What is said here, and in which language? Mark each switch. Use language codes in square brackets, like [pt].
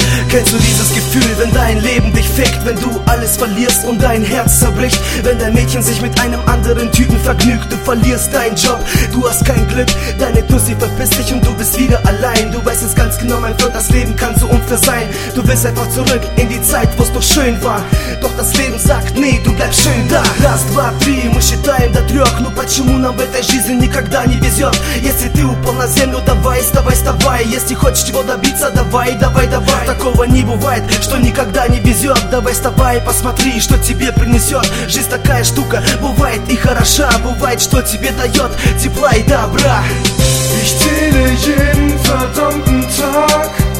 [de] Kennst du dieses Gefühl, wenn dein Leben dich fickt, wenn du alles verlierst und dein Herz zerbricht, wenn dein Mädchen sich mit einem anderen Typen vergnügt, du verlierst deinen Job, du hast kein Glück, deine Tussi verpisst dich und du bist wieder allein, du weißt es ganz genau, mein Freund, das Leben kann so unfair sein, du willst einfach zurück in die Zeit, wo es doch schön war, doch das Leben sagt, nee, du bleibst schön da. [ru] Раз, два, три, мы считаем до трех, но почему нам в этой жизни никогда не везет, если ты упал на землю, давай, вставай, вставай, если хочешь чего добиться, давай, давай, давай, такого не бывает, что никогда не везет. Давай вставай, посмотри, что тебе принесет. Жизнь такая штука, бывает и хороша. Бывает, что тебе дает тепла и добра. [de] Ich zähle jeden verdammten Tag.